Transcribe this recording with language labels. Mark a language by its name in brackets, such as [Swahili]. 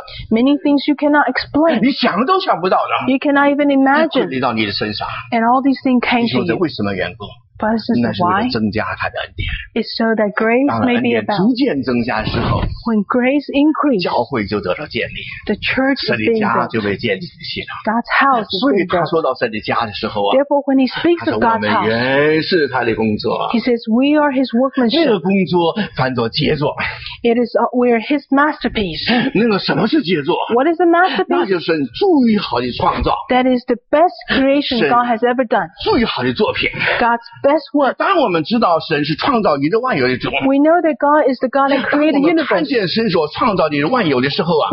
[English] Many things you cannot explain. You cannot even imagine. And all these things came to you. versus why? [Chinese] 那是为了增加他的恩典。 [English] It's so that grace may be about. [Chinese] 当恩典逐渐增加之后 [English] ，when grace increase， [Chinese] 教会就得到建立 [English] ，the church is being built， [Chinese] 圣的家就被建立起来。 [English] God's house is being built。 [Chinese] 所以他说到圣的家的时候啊 [English] ，therefore when he speaks of God's house， [Chinese] 我们原是他的工作。 [English] He says we are his workmanship。 [Chinese] 这个工作翻作杰作。 [English] It is we are his masterpiece。 [Chinese] 那个什么是杰作 [English] ？What is a masterpiece？ [Chinese] 那就是最好的创造。 [English] That is the best creation God has ever done。 [Chinese] 最好的作品。 [English] God'sBest work. [Chinese] 当我们知道神是创造宇宙万有的主 [English] ，We know that God is the God that created the universe. [Chinese] 当我们看见神所创造的万有的时候啊